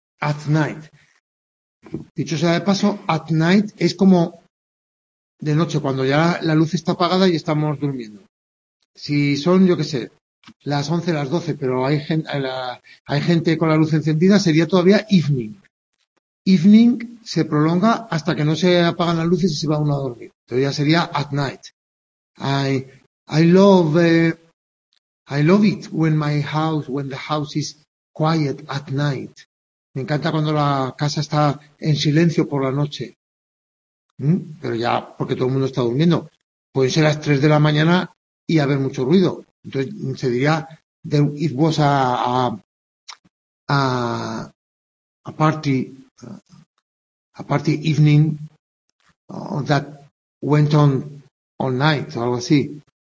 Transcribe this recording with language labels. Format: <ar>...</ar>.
<es>At night. Dicho sea de paso, at night es como de noche, cuando ya la luz está apagada y estamos durmiendo. Si son, yo qué sé, Las 11, las 12, pero hay gente con la luz encendida, sería todavía evening. Evening se prolonga hasta que no se apagan las luces y se va uno a dormir. Entonces ya sería at night.</es> <en>I love it when my house, when the house is quiet at night.</en> <es>Me encanta cuando la casa está en silencio por la noche. Pero ya, porque todo el mundo está durmiendo. Pueden ser las 3 de la mañana y haber mucho ruido. Entonces se diría,</es> <en>there, it was a party evening that went on night</en> <es>o algo así.</es>